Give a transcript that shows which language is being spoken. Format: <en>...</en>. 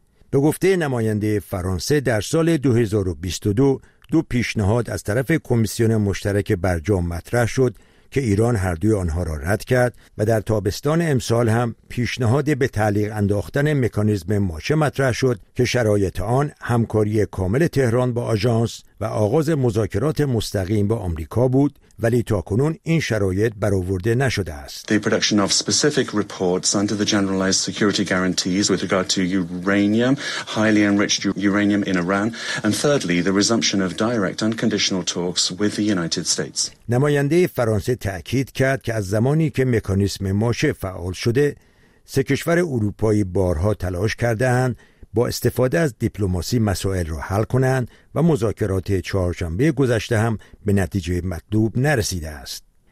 <fa>به گفته نماینده فرانسه، در سال 2022 2 پیشنهاد از طرف کمیسیون مشترک برجام مطرح شد که ایران هر دوی آنها را رد کرد و در تابستان امسال هم پیشنهاد به تعلیق انداختن مکانیزم ماشه مطرح شد که شرایط آن همکاری کامل تهران با آژانس و آغاز مذاکرات مستقیم با آمریکا بود، ولی تاکنون این شرایط برآورده نشده است.</fa> <en>The production of specific reports under the generalized security guarantees with regard to uranium, highly enriched uranium in Iran, and thirdly, the resumption of direct unconditional talks with the United States.</en> <fa>نماینده فرانسه تأکید کرد که از زمانی که مکانیزم ماشه فعال شده، 3 کشور اروپایی بارها تلاش کرده‌اند با استفاده از دیپلماسی مسائل را حل کنند و مذاکرات چهارشنبه گذشته هم به نتیجه مطلوب نرسیده است.</fa>